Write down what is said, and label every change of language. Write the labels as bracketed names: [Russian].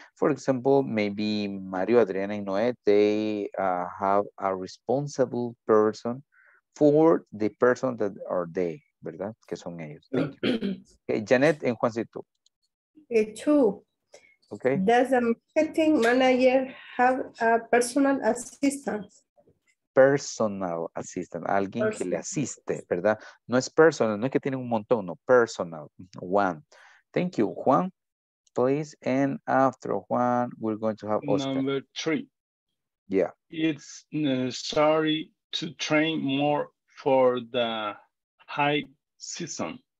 [English] For example, maybe Mario, Adriana, and Noé, they have a responsible person for the person that are they, ¿verdad? [Spanish] Que son ellos. [English] Thank you. Okay. Janet and Juancito. Okay. Does the marketing manager have a personal assistant? Personal assistant, [Spanish] alguien personal. Que le asiste, ¿verdad? No es personal, no es que tiene un montón, no, personal, one. [English] Thank you, Juan, please. And after Juan, we're going to have Oscar. Number three. Yeah. It's necessary to train more for the high season.